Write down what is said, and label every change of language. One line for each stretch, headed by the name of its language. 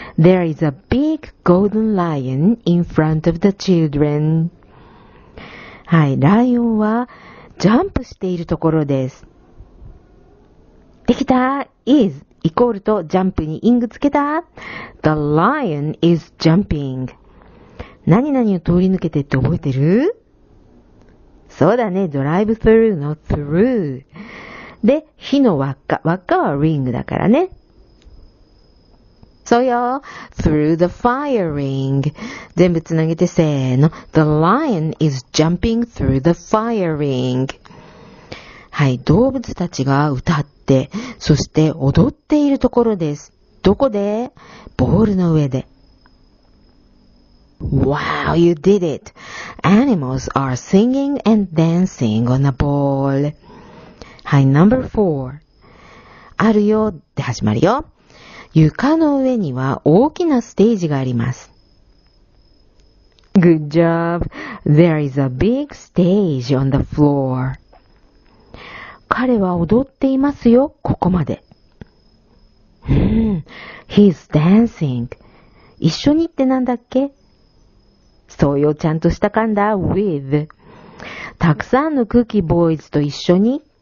English: There is a big golden lion in front of the children.
Japanese: はい、ライオンはジャンプしているところです。できた？ is イコールとジャンプにイングつけた？
English: The lion is jumping。
Japanese: 何々を通り抜けてって覚えてる？そうだね、ドライブスルーの through。で、火の輪っか、輪っかはリングだからね。そうよ、
English: through the fire ring。
Japanese: 全部つなげてせーの。
English: The lion is jumping through the fire ring。
Japanese: はい、動物たちが歌ってで、そして踊っているところです。どこで？ボールの上で。
English: Wow, you did it! Animals are singing and dancing on a ball.
Japanese: はい、number four。 あるよで始まるよ。床の上には大きなステージがあります。
English: Good job! There is a big stage on the floor。
Japanese: 彼は踊っていますよ、ここまで。
English: He's dancing.
Japanese: 一緒にってなんだっけ？そうよ、ちゃんとした噛んだ。
English: With。
Japanese: たくさんのクッキーボーイズと一緒に。